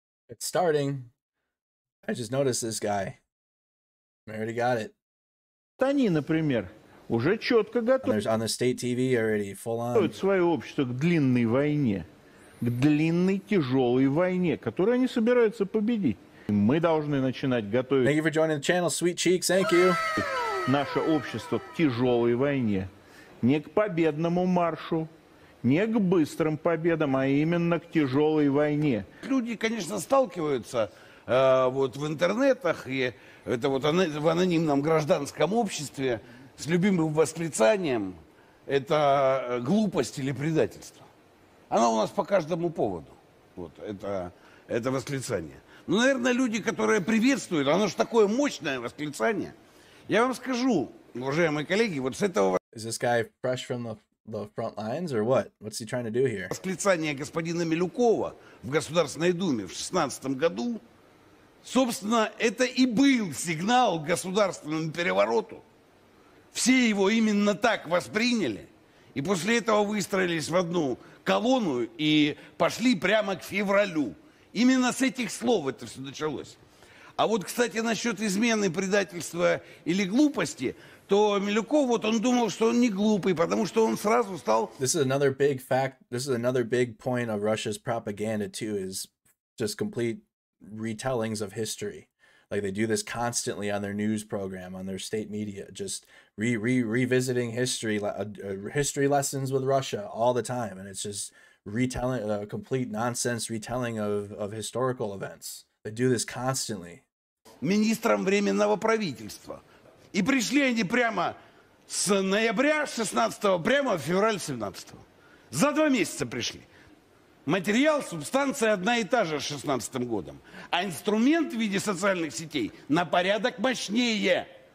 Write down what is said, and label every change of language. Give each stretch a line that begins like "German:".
English: It's starting. I just noticed this guy. We already got it.
Russian: Они, например, уже четко готовят.
English: On the state TV already, full on.
Russian: Готовят свое общество к длинной войне. К длинной, тяжелой войне, которую они собираются победить. И мы должны начинать готовить.
English: Thank you for joining the channel, Sweet Cheeks, thank you.
Russian: Наше общество к тяжелой войне. Не к победному маршу. Не к быстрым победам, а именно к тяжелой войне. Люди, конечно, сталкиваются... вот в интернетах и это вот в анонимном гражданском обществе с любимым восклицанием это глупость или предательство. Оно у нас по каждому поводу, вот это восклицание. Но, наверное, люди, которые приветствуют, оно же такое мощное восклицание. Я вам скажу, уважаемые коллеги, вот с этого...
English: Is this guy fresh from the front lines or what? What's he trying to do here?
Russian: Восклицание господина Милюкова в Государственной Думе в 2016 году... Собственно, это и был сигнал к государственному перевороту. Все его именно так восприняли. И после этого выстроились в одну колонну и пошли прямо к февралю. Именно с этих слов это все началось. А вот, кстати, насчет измены, предательства или глупости, то Милюков, вот он думал, что он не глупый, потому что он сразу стал...
English: This is another big fact, this is another big point of Russia's propaganda too, is just complete... retellings of history. Like they do this constantly on their news program, on their state media, just revisiting history, history lessons with Russia all the time. And it's just retelling a complete nonsense retelling of historical events. They do this constantly.
Russian: Министром временного правительства. И пришли они прямо с ноября 16-го, прямо в февраль 17-го. За два месяца пришли. Материал, субстанция одна и та же с 16-м годом. А инструмент в виде социальных сетей на порядок мощнее.